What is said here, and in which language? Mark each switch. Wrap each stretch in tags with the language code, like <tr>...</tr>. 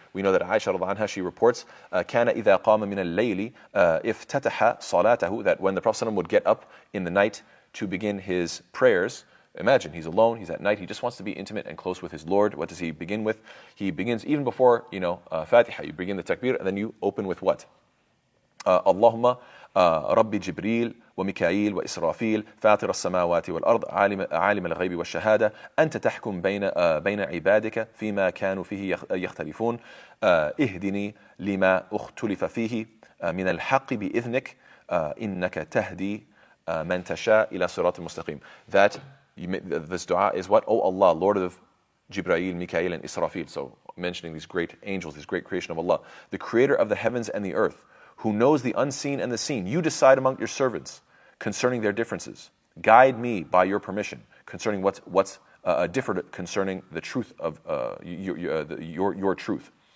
<en>We know that Aisha radhiallahu anha, she reports,</en> <ar>كَانَ إِذَا قَامَ مِنَ اللَّيْلِ إِفْتَتَحَ صَلَاتَهُ,</ar> <en>that when the Prophet ﷺ would get up in the night to begin his prayers, imagine, he's alone, he's at night, he just wants to be intimate and close with his Lord. What does he begin with? He begins even before, you know, Fatiha, you begin the takbir, and then you open with what? Allahumma</en> <ar>رب جبريل وميكائيل وإسرافيل فاطر السماوات والأرض عالم الغيب والشهادة أنت تحكم بين عبادك فيما كانوا فيه يختلفون اهدني لما اختلف فيه من الحق بإذنك إنك تهدي من تشاء إلى صراط المستقيم.</ar> <en>That this dua is what, O Allah, Lord of Jibreel, Mikael, and Israfil. So mentioning these great angels, this great creation of Allah, the creator of the heavens and the earth, who knows the unseen and the seen. You decide among your servants concerning their differences. Guide me by your permission concerning what's different concerning the truth of your truth.</en>